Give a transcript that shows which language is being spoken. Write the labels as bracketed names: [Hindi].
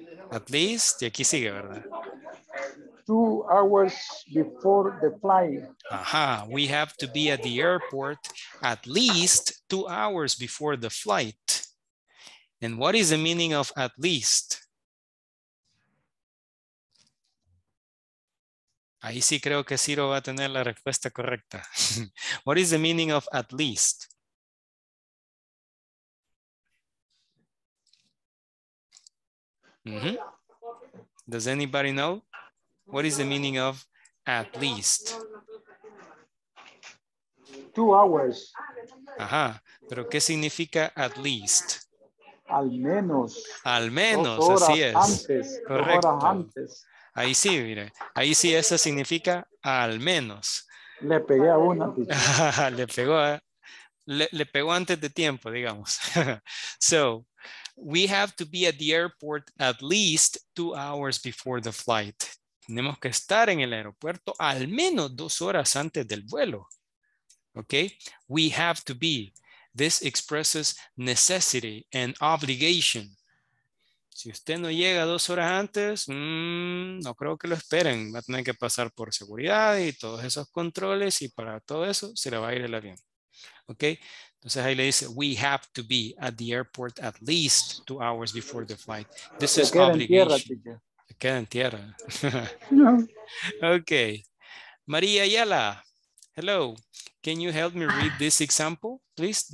[Spanish] At least, y aquí sigue, ¿verdad? [English] 2 hours before the flight. Aha, we have to be at the airport at least 2 hours before the flight. And what is the meaning of at least? [Spanish] Ahí sí creo que Ciro va a tener la respuesta correcta. [English] What is the meaning of at least? Mm-hmm. Does anybody know? What is the meaning of at least? 2 hours. [Spanish] Ajá, pero ¿qué significa at least? Al menos. Al menos, así es. Antes, correcto. Antes. Ahí sí, mire. Ahí sí, eso significa al menos. Le pegué a una. Le pegó, le pegó antes de tiempo, digamos. [English] So, we have to be at the airport at least 2 hours before the flight. [Spanish] Tenemos que estar en el aeropuerto al menos 2 horas antes del vuelo. Okay? [English] We have to be. This expresses necessity and obligation. [Spanish] Si usted no llega 2 horas antes, no creo que lo esperen. Va a tener que pasar por seguridad y todos esos controles y para todo eso se le va a ir el avión. [English] Okay? [Spanish] Entonces ahí le dice, [English] we have to be at the airport at least 2 hours before the flight. This is obligation. [Spanish] Queda en tierra. [English] Okay. María Ayala, hello. Can you help me read this example, please?